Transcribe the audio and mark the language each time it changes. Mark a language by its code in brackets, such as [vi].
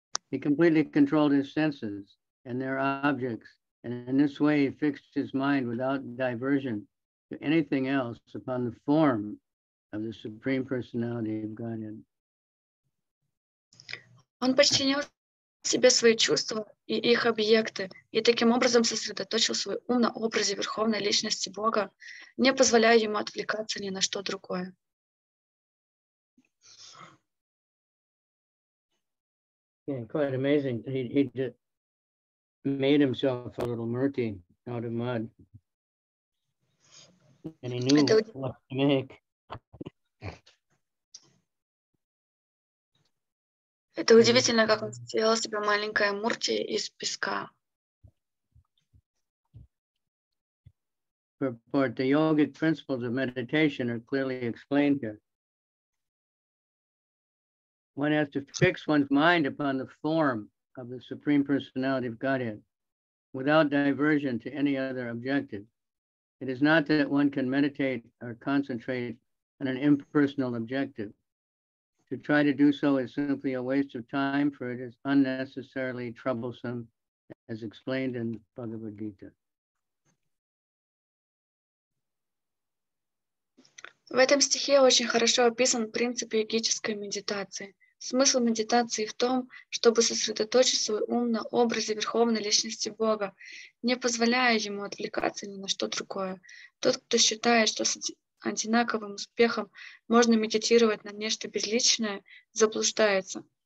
[en] He completely controlled his senses and their objects, and in this way he fixed his mind without diversion to anything else upon the form of the Supreme Personality of Godhead. [ru] Себе свои чувства и их объекты, и таким образом сосредоточил свой ум на образе Верховной Личности Бога, не позволяя ему отвлекаться ни на что другое. [en] Yeah, quite amazing. He made himself a little murti out of mud. And he knew what to make. [ru] Это удивительно, как он сделал себе маленькое мурти из песка. [en] Purport, the yogic principles of meditation are clearly explained here. One has to fix one's mind upon the form of the Supreme Personality of Godhead without diversion to any other objective. It is not that one can meditate or concentrate on an impersonal objective. To try to do so is simply a waste of time, for it is unnecessarily troublesome, as explained in Bhagavad Gita. [ru] В этом стихе очень хорошо описан принцип йогической медитации. Смысл медитации в том, чтобы сосредоточить свой ум на образе Верховной Личности Бога, не позволяя ему отвлекаться ни на что другое. Тот, кто считает, что одинаковым успехом можно медитировать на нечто безличное, заблуждается.